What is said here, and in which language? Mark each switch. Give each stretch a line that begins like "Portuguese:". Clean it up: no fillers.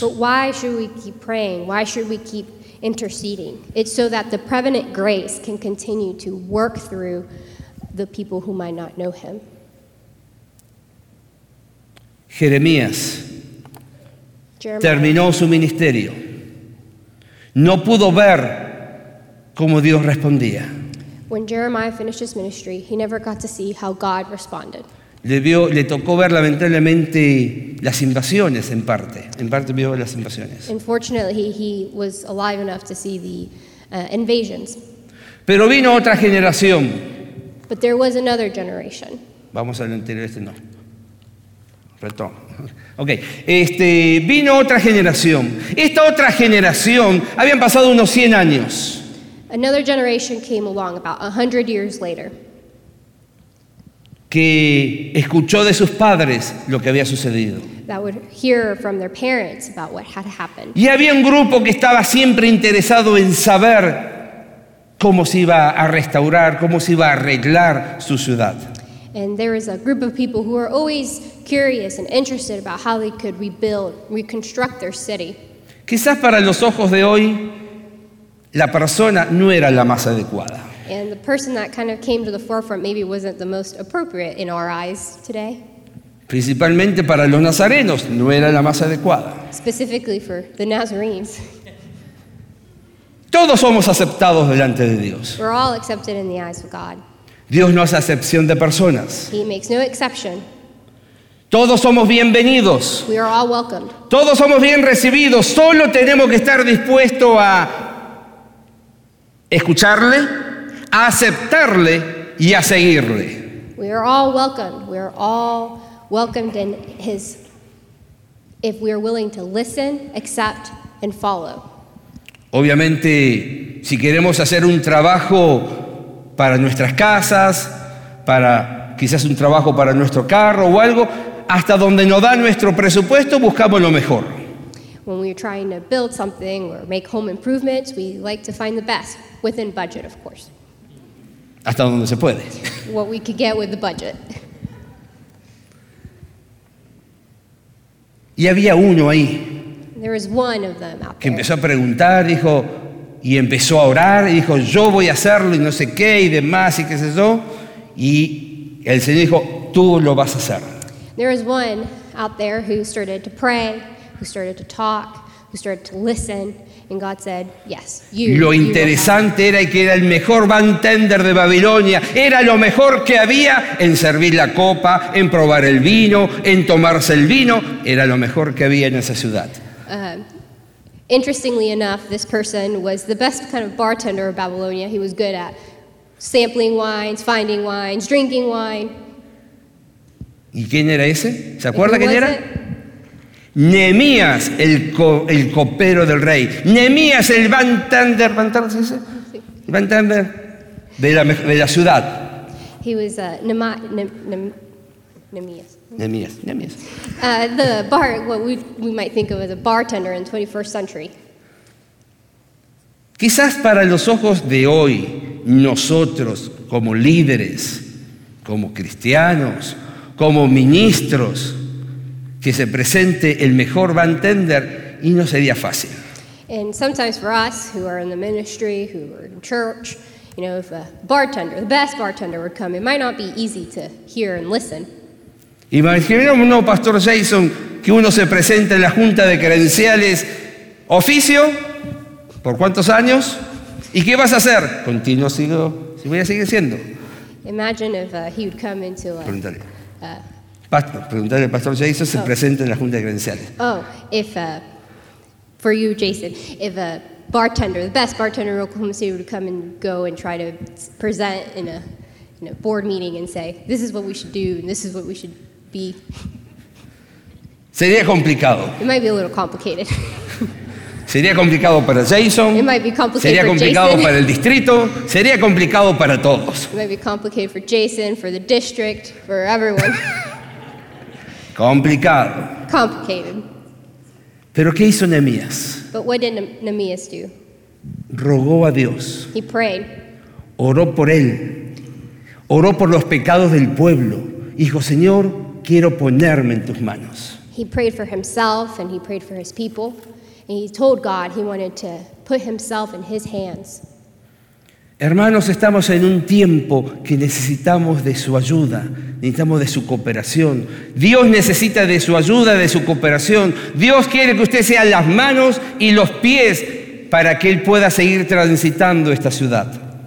English: But why should we keep praying? Why should we keep interceding? It's so that the prevenient grace can continue to work through the people who might not know him.
Spanish: Jeremías terminó su ministerio. No pudo ver cómo Dios respondía.
English: When Jeremiah finished his ministry, he never got to see how God responded.
Spanish: Le tocó ver lamentablemente las invasiones en parte. En parte vio las invasiones.
English: Unfortunately, he was alive enough to see the invasions.
Spanish: Pero vino otra generación.
English: But there was another generation.
Spanish: Vamos a entender este no. Retorno. Okay. Vino otra generación. Esta otra generación habían pasado unos 100 años.
English: Another generation came along about 100 years later.
Spanish: Que escuchó de sus padres lo que había sucedido.
English: That would hear from their parents about what had happened.
Spanish: Y había un grupo que estaba siempre interesado en saber cómo se iba a restaurar, cómo se iba a arreglar su ciudad.
English: And there is a group of people who are always curious and interested about how they could rebuild, reconstruct their city.
Spanish: Quizás para los ojos de hoy, la persona no era la más adecuada.
English: And the person that kind of came to the forefront maybe wasn't the most appropriate in our eyes today.
Spanish: Principalmente para los nazarenos, no era la más adecuada.
English: Specifically for the Nazarenes.
Spanish: Todos somos aceptados delante de Dios.
English: We're all accepted in the eyes of God.
Spanish: Dios no hace excepción de personas.
English: He makes no exception.
Spanish: Todos somos bienvenidos.
English: We are all welcomed.
Spanish: Todos somos bien recibidos. Solo tenemos que estar dispuestos a escucharle, a aceptarle y a seguirle.
English: We are all welcomed. We are all welcomed in his, if we are willing to listen, accept and follow.
Spanish: Obviamente, si queremos hacer un trabajo para nuestras casas, para quizás un trabajo para nuestro carro o algo, hasta donde nos da nuestro presupuesto, buscamos lo mejor.
English: When we're trying to build something or make home improvements, we like to find the best within budget, of course.
Spanish: Hasta donde se puede.
English: What we could get with the budget.
Spanish: Y había uno ahí.
English: There was one of them out there.
Spanish: Que empezó a preguntar, dijo, y empezó a orar y dijo, yo voy a hacerlo y no sé qué y demás y qué sé yo. Y el Señor dijo, tú lo vas a hacer.
English: There is one out there who started to pray, who started to talk, who started to listen. And God said, yes, you.
Spanish: Lo interesante era que era el mejor bartender de Babilonia. Era lo mejor que había en servir la copa, en probar el vino, en tomarse el vino. Era lo mejor que había en esa ciudad.
English: Interestingly enough, this person was the best kind of bartender of Babylonia. He was good at sampling wines, finding wines, drinking wine.
Spanish: ¿Y quién era ese? ¿Se acuerda quién era? Nehemías, el copero del rey. Nehemías, el bartender, ¿bartender se dice? Sí. Bartender de la ciudad.
English: He was Nehemías. Nehemías. What we might think of as a bartender in the 21st century.
Spanish: Quizás para los ojos de hoy, nosotros como líderes, como cristianos, como ministros, que se presente el mejor bartender y no sería fácil.
English: And sometimes for us who are in the ministry, who are in church, you know, if a bartender, the best bartender would come, it might not be easy to hear and listen.
Spanish: Imaginemos, no, Pastor Jason, que uno se presenta en la junta de credenciales, oficio, ¿por cuántos años? ¿Y qué vas a hacer? Continúo, sigo, si voy a seguir siendo.
English: Imagine if he would come into a...
Spanish: Preguntarle al Pastor Jason, se presenta en la junta de credenciales.
English: Oh, if, for you, Jason, if a bartender, the best bartender in Oklahoma City would come and go and try to present in a... in a board meeting and say, this is what we should do and this is what we should be.
Spanish: Sería complicado.
English: It might be a little complicated.
Spanish: Sería complicado para Jason.
English: It might be complicated.
Spanish: Sería
English: for
Spanish: complicado
English: Jason.
Spanish: Para el distrito. Sería complicado para todos.
English: It might be complicated for Jason, for the district, for everyone.
Spanish: Complicado.
English: Complicated.
Spanish: Pero ¿qué hizo Nehemías?
English: But what did Nehemías do?
Spanish: Rogó a Dios.
English: He prayed.
Spanish: oró por él, oró por los pecados del pueblo. Dijo, Señor, quiero ponerme en tus manos.
English: He prayed for himself and he prayed for his people. And he told God he wanted to put himself in his hands.
Spanish: Hermanos, estamos en un tiempo que necesitamos de su ayuda, necesitamos de su cooperación. Dios necesita de su ayuda, de su cooperación. Dios quiere que usted sea las manos y los pies para que él pueda seguir transitando esta ciudad.